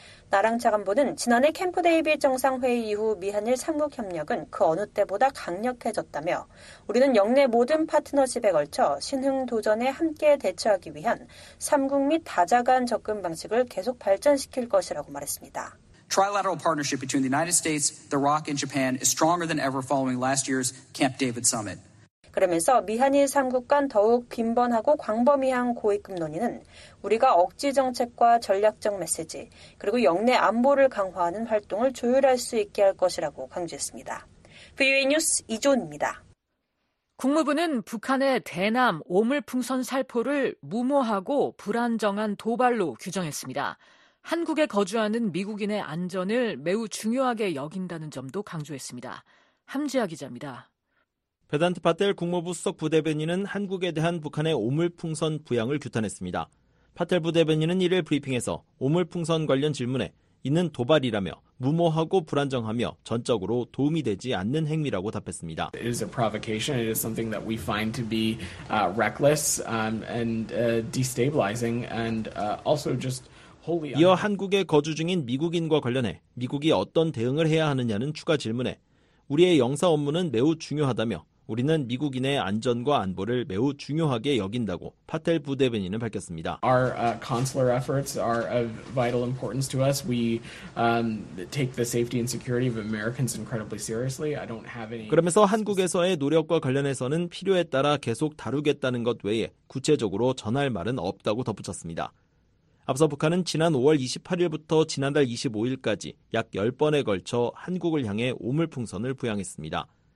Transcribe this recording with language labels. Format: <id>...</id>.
<ko>나랑 차관보는 지난해 캠프 데이빗 정상회의 이후 미한일 3국 협력은 그 어느 때보다 강력해졌다며 우리는 영내 모든 파트너십에 걸쳐 신흥 도전에 함께 대처하기 위한 3국 및 다자간 접근 방식을 계속 발전시킬 것이라고 말했습니다.</ko> <en>Trilateral partnership between the United States, the ROC, and Japan is stronger than ever following last year's Camp David summit.</en> <ko>그러면서 미한일 3국 간 더욱 빈번하고 광범위한 고위급 논의는 우리가 억지 정책과 전략적 메시지, 그리고 영내 안보를 강화하는 활동을 조율할 수 있게 할 것이라고 강조했습니다. VOA 뉴스 이존입니다. 국무부는 북한의 대남 오물풍선 살포를 무모하고 불안정한 도발로 규정했습니다. 한국에 거주하는 미국인의 안전을 매우 중요하게 여긴다는 점도 강조했습니다. 함지아 기자입니다. 베단트 파텔 국무부 수석 부대변인은 한국에 대한 북한의 오물풍선 부양을 규탄했습니다. 파텔 부대변인은 이를 브리핑에서 오물풍선 관련 질문에 이는 도발이라며 무모하고 불안정하며 전적으로 도움이 되지 않는 행위라고 답했습니다.</ko> <en>It is a provocation. It is something that we find to be reckless and destabilizing and also just wholly.</en> <ko>이어 한국에 거주 중인 미국인과 관련해 미국이 어떤 대응을 해야 하느냐는 추가 질문에 우리의 영사 업무는 매우 중요하다며 우리는 미국인의 안전과 안보를 매우 중요하게 여긴다고 파텔 부대변인은 밝혔습니다.</ko> <en>Our consular efforts are of vital importance to us. We take the safety and security of Americans incredibly seriously. I don't have any.</en> <ko>그러면서 한국에서의 노력과 관련해서는 필요에 따라 계속 다루겠다는 것 외에 구체적으로 전할 말은 없다고 덧붙였습니다. 앞서 북한은 지난 5월 28일부터 지난달 25일까지 약 10번에 걸쳐 한국을 향해 오물풍선을 부양했습니다.</ko>